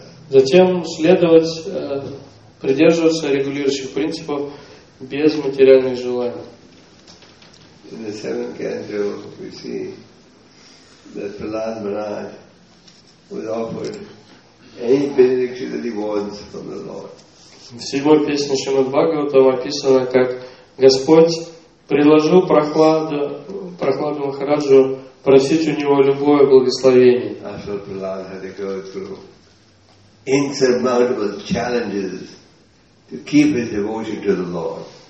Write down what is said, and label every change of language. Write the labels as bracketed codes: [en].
[ru] Затем следовать, придерживаться регулирующих принципов без материальных желаний. [en] In the seventh canto, we see that Prahlad Maharaj was offered any benediction that he wants from the Lord. [ru] В седьмой песне Шримад Бхагаватам описано, как Господь предложил Прахладу Махараджу просить у него любое благословение. [en] After Prahlad had to go through insurmountable challenges to keep his devotion to the Lord.